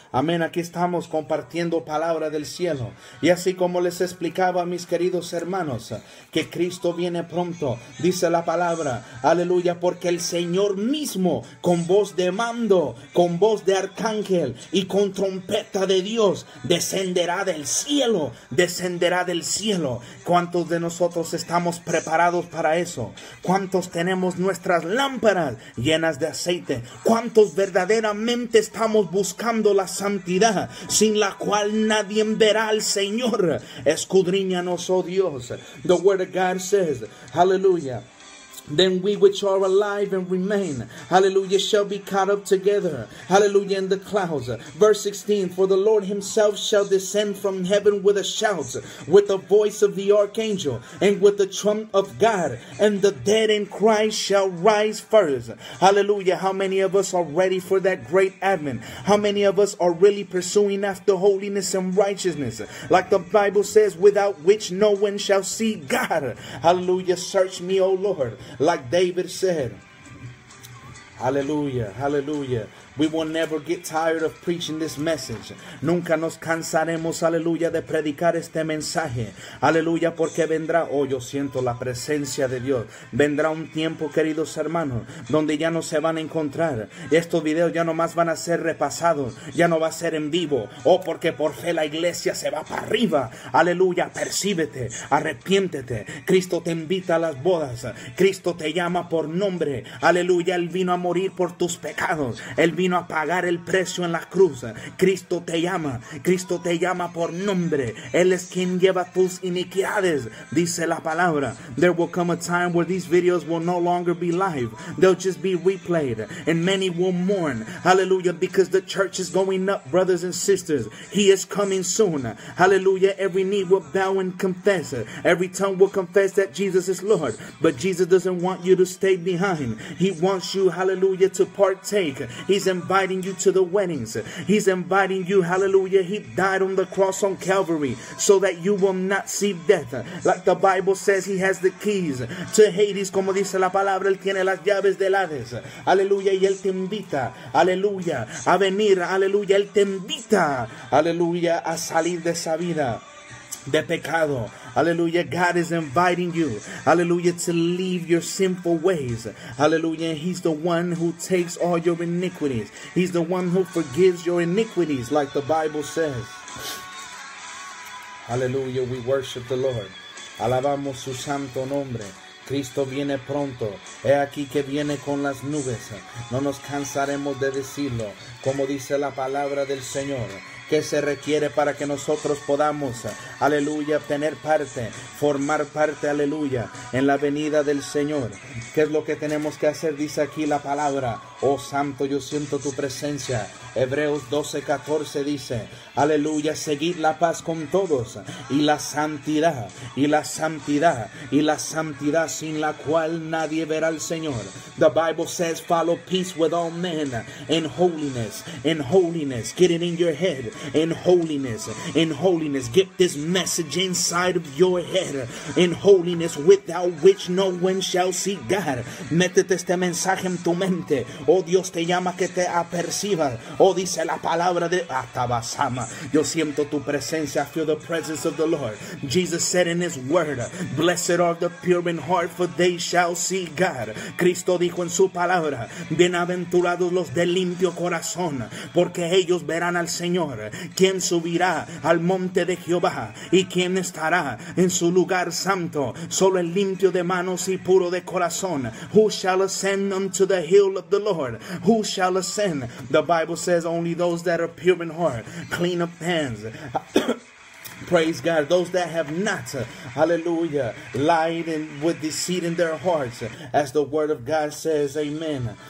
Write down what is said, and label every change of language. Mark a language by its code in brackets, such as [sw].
[es] Amén, aquí estamos compartiendo palabra del cielo. Y así como les explicaba a mis queridos hermanos, que Cristo viene pronto, dice la palabra, aleluya, porque el Señor mismo, con voz de mando, con voz de arcángel y con trompeta de Dios, descenderá del cielo, descenderá del cielo. ¿Cuántos de nosotros estamos preparados para eso? ¿Cuántos tenemos nuestras lámparas llenas de aceite? ¿Cuántos verdaderamente estamos buscando la santidad, sin la cual nadie verá al Señor? Escudriñanos, oh Dios. [en] The word of God says, hallelujah, then we which are alive and remain, hallelujah, shall be caught up together, hallelujah, in the clouds. Verse 16, for the Lord himself shall descend from heaven with a shout, with the voice of the archangel, and with the trump of God, and the dead in Christ shall rise first. Hallelujah, how many of us are ready for that great advent? How many of us are really pursuing after holiness and righteousness? Like the Bible says, without which no one shall see God. Hallelujah, search me, O Lord. Like David said, hallelujah, hallelujah. We will never get tired of preaching this message. [es] Nunca nos cansaremos, aleluya, de predicar este mensaje. Aleluya, porque vendrá, oh, yo siento la presencia de Dios. Vendrá un tiempo, queridos hermanos, donde ya no se van a encontrar. Estos videos ya no más van a ser repasados. Ya no va a ser en vivo. Oh, porque por fe la iglesia se va para arriba. Aleluya, percíbete, arrepiéntete. Cristo te invita a las bodas. Cristo te llama por nombre. Aleluya, Él vino a morir por tus pecados. Él vino a pagar el precio en la cruz. Cristo te llama. Cristo te llama por nombre. Él es quien lleva tus iniquidades, dice la palabra. [en] There will come a time where these videos will no longer be live. They'll just be replayed. And many will mourn. Hallelujah. Because the church is going up, brothers and sisters. He is coming soon. Hallelujah. Every knee will bow and confess. Every tongue will confess that Jesus is Lord. But Jesus doesn't want you to stay behind. He wants you, hallelujah, to partake. He's inviting you to the weddings. He's inviting you, hallelujah. He died on the cross on Calvary so that you will not see death. Like the Bible says, he has the keys to Hades. [es] Como dice la palabra, él tiene las llaves del Hades. Aleluya, y él te invita, aleluya, a venir, aleluya. Él te invita, aleluya, a salir de esa vida de pecado. [en] Hallelujah, God is inviting you, hallelujah, to leave your sinful ways. Hallelujah, he's the one who takes all your iniquities. He's the one who forgives your iniquities, like the Bible says. Hallelujah, we worship the Lord. [es] Alabamos su santo nombre. Cristo viene pronto. He aquí que viene con las nubes. No nos cansaremos de decirlo, como dice la palabra del Señor. ¿Qué se requiere para que nosotros podamos, aleluya, tener parte, formar parte, aleluya, en la venida del Señor? ¿Qué es lo que tenemos que hacer? Dice aquí la palabra. Oh, santo, yo siento tu presencia. Hebreos 12:14 dice, aleluya, seguid la paz con todos y la santidad, y la santidad, y la santidad, sin la cual nadie verá al Señor. [en] The Bible says, follow peace with all men in holiness, get it in your head. In holiness, get this message inside of your head. In holiness, without which no one shall see God. [es] Métete este mensaje en tu mente. Oh, Dios te llama que te apercibas. Oh, dice la palabra de Atabasama. Yo siento tu presencia. [en] I feel the presence of the Lord. Jesus said in his word, blessed are the pure in heart, for they shall see God. [es] Cristo dijo en su palabra, bienaventurados los de limpio corazón, porque ellos verán al Señor. ¿Quién subirá al monte de Jehová? ¿Y quién estará en su lugar santo? Solo el limpio de manos y puro de corazón. [en] Who shall ascend unto the hill of the Lord? Who shall ascend? The Bible says only those that are pure in heart, clean of hands. Praise God. Those that have not, hallelujah, lied and with deceit in their hearts, as the word of God says, amen.